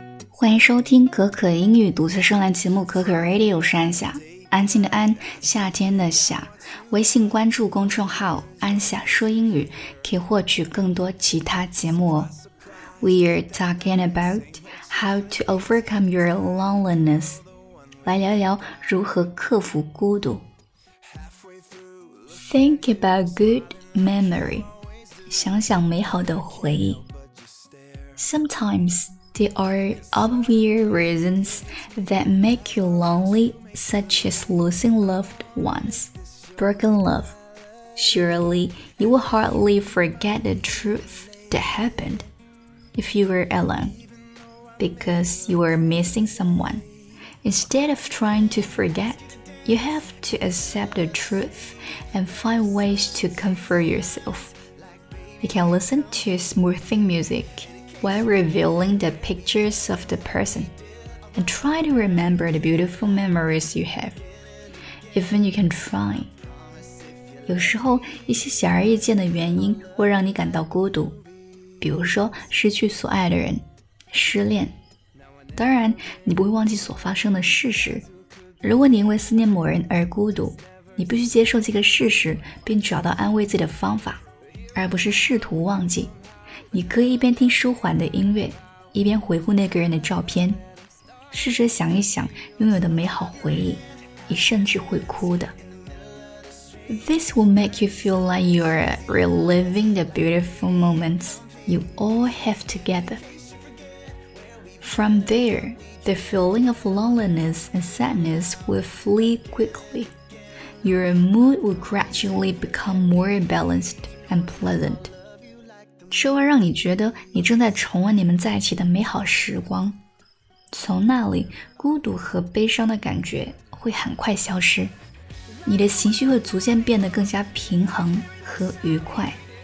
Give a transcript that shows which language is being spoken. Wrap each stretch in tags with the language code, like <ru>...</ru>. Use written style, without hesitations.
<zh>欢迎收听可可英语独自专栏节目可可 Radio， 我是安夏，安静的安，夏天的夏。微信关注公众号安夏说英语，可以获取更多其他节目哦。</zh> <en>We are talking about how to overcome your loneliness，</en> <zh>来聊聊如何克服孤独。</zh> <en>Think about good memory，</en> <zh>想想美好的回忆。</zh> <en>Sometimes there are obvious reasons that make you lonely, such as losing loved ones, broken love. Surely, you will hardly forget the truth that happened if you were alone, because you were missing someone. Instead of trying to forget, you have to accept the truth and find ways to comfort yourself. You can listen to smoothing music. While revealing the pictures of the person, and try to remember the beautiful memories you have, even you can try.</en> <zh>有时候，一些显而易见的原因会让你感到孤独，比如说失去所爱的人、失恋。当然，你不会忘记所发生的事实。如果你因为思念某人而孤独，你必须接受这个事实，并找到安慰自己的方法，而不是试图忘记。你可以一边听舒缓的音乐，一边回顾那个人的照片，试着想一想拥有的美好回忆，你甚至会哭的。</zh> <en>This will make you feel like you are reliving the beautiful moments you all have together. From there, the feeling of loneliness and sadness will flee quickly. Your mood will gradually become more balanced and pleasant.</en> <zh>这会让你觉得你正在重温你们在一起的美好时光，从那里孤独和悲伤的感觉会很快消失，你的情绪会逐渐变得更加平衡和愉快。</zh>